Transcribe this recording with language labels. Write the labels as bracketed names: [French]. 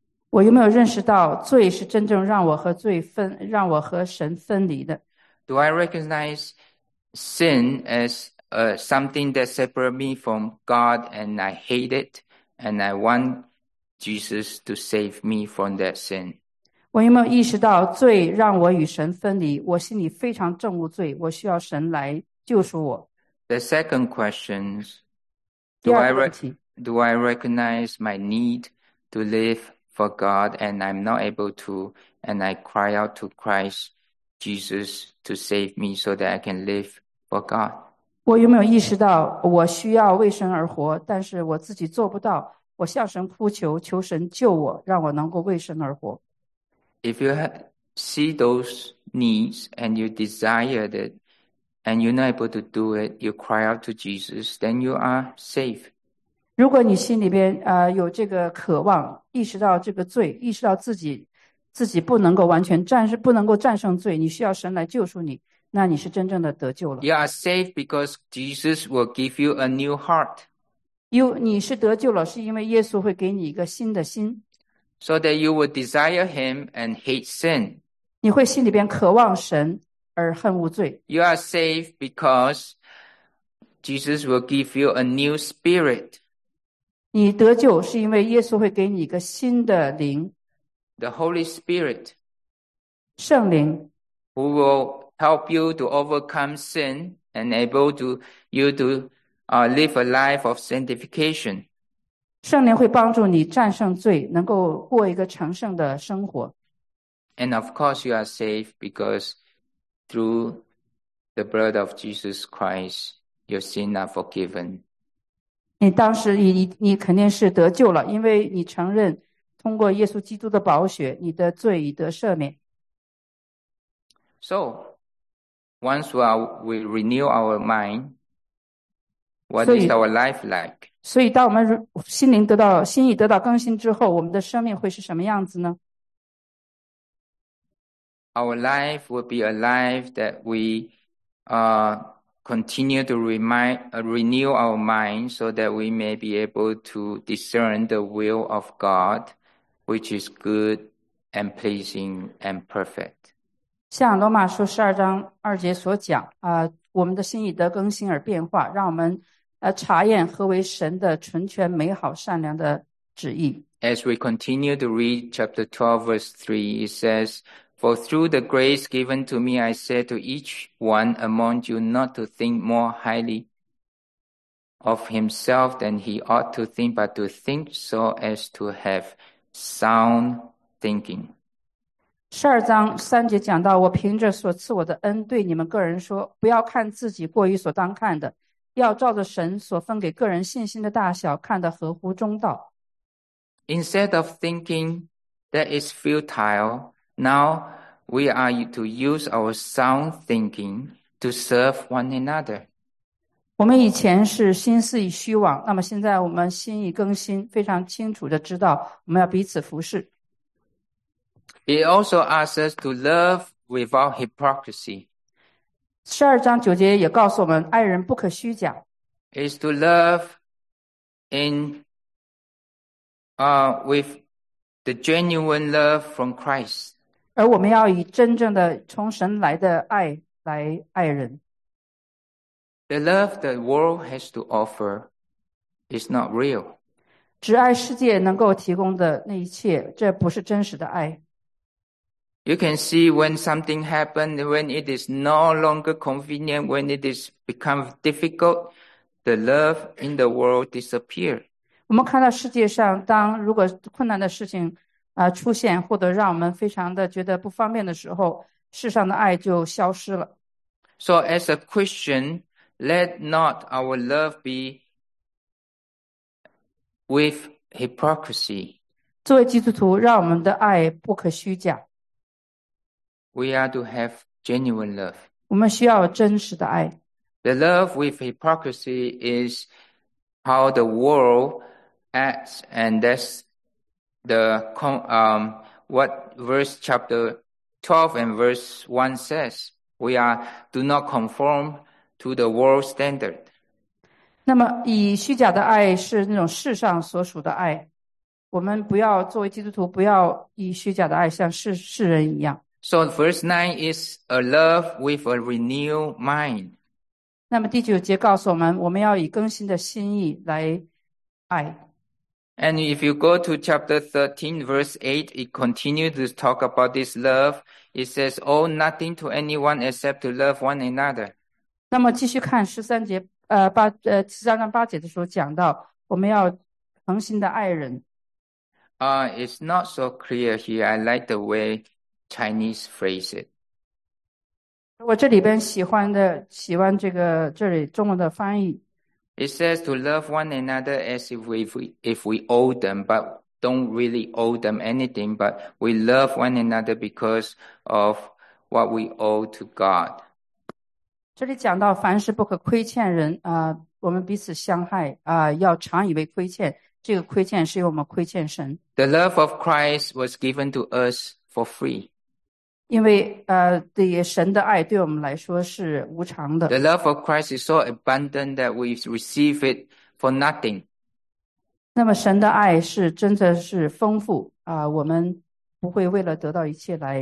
[Chinese] 我有没有认识到罪是真正让我和神分离的？ [English] Do I recognize sin as something that separate me from God and I hate it and I want Jesus to save me from that sin? [Chinese] 我有没有意识到罪让我与神分离，我心里非常憎恶罪，我需要神来救赎我。 [English] The second question is, [Chinese] 第二个问题， [English] Do I recognize my need to live for God and I'm not able to and I cry out to Christ Jesus to save me so that I can live for God? [Chinese] 我有没有意识到我需要为神而活，但是我自己做不到，我向神哭求，求神救我，让我能够为神而活。 [English] If you see those needs and you desire it and you're not able to do it, you cry out to Jesus, then you are safe. [Chinese] 如果你心里边有这个渴望，意识到这个罪，意识到自己不能够完全战胜，不能够战胜罪，你需要神来救赎你，那你是真正的得救了。 [English] You are safe because Jesus will give you a new heart. [Chinese] 你是得救了，是因为耶稣会给你一个新的心。 [English] So that you would desire him and hate sin. [Chinese] 你会心里边渴望神而恨恶罪。 [English] You are saved because Jesus will give you a new spirit. [Chinese] 你得救是因为耶稣会给你一个新的灵。 [English] The Holy Spirit. [Chinese] 圣灵。 [English] Who will help you to overcome sin and enable you to live a life of sanctification. [Chinese] 圣灵会帮助你战胜罪，能够过一个成圣的生活。 [English] And of course you are saved because through the blood of Jesus Christ, your sins are forgiven. [Chinese] 你当时你肯定是得救了，因为你承认通过耶稣基督的宝血，你的罪已得赦免。 [English] So, once we renew our mind,What is our life like? [Chinese] 所以当我们心灵得到心意得到更新之后，我们的生命会是什么样子呢？ [English] Our life will be a life that we continue to renew our mind so that we may be able to discern the will of God, which is good and pleasing and perfect. [Chinese] 像罗马书十二章二节所讲我们的心意得更新而变化，让我们查验何为神的纯全美好善良的旨意。 [English] As we continue to read chapter 12 verse 3, it says, For through the grace given to me, I said to each one among you not to think more highly of himself than he ought to think, but to think so as to have sound thinking. [Chinese] 十二章三节讲到，我凭着所赐我的恩对你们个人说，不要看自己过于所当看的，要照着神所分给个人信心的大小看得合乎中道。 [English] Instead of thinking that is futile, now we are to use our sound thinking to serve one another. [Chinese] 我们以前是心思以虚妄，那么现在我们心意更新，非常清楚地知道我们要彼此服侍。 [English] It also asks us to love without hypocrisy. [Chinese] 十二章九节也告诉我们，爱人不可虚假。 [English] Is to love in with the genuine love from Christ. [Chinese] 而我们要以真正的从神来的爱来爱人。 [English] The love the world has to offer is not real. [Chinese] 只爱世界能够提供的那一切，这不是真实的爱。 [English] You can see when something happens, when it is no longer convenient, when it is become difficult, the love in the world disappears. [Chinese] 我们看到世界上，当如果困难的事情出现，或者让我们非常的觉得不方便的时候，世上的爱就消失了。 [English] So as a Christian, let not our love be with hypocrisy. [Chinese] 作为基督徒，让我们的爱不可虚假。 [English] We are to have genuine love. [Chinese] 我们需要真实的爱。 [English] The love with hypocrisy is how the world acts, and that's the what verse chapter 12 and verse 1 says. We are do not conform to the world standard. [Chinese] 那么，以虚假的爱是那种世上所属的爱。我们不要作为基督徒，不要以虚假的爱像世人一样。 [English] So verse 9 is a love with a renewed mind. [Chinese] 那么第九节告诉我们，我们要以更新的心意来爱。 [English] And if you go to chapter 13, verse 8, it continues to talk about this love. It says, owe nothing to anyone except to love one another. [Chinese] 那么继续看13章8节的时候讲到，我们要恒心的爱人。 [English] It's not so clear here. I like the way Chinese phrase it. [Chinese] 我这里边喜欢这个这里中文的翻译。 [English] It says to love one another as if we owe them, but don't really owe them anything, but we love one another because of what we owe to God. [Chinese] 这里讲到凡事不可亏欠人，我们彼此相害，要常以为亏欠，这个亏欠是因为我们亏欠神。 [English] The love of Christ was given to us for free. [Chinese] 因为神的爱对我们来说是无偿的。 [English] The love of Christ is so abundant that we receive it for nothing. [Chinese] 那么神的爱是真的是丰富，我们不会为了得到一切来。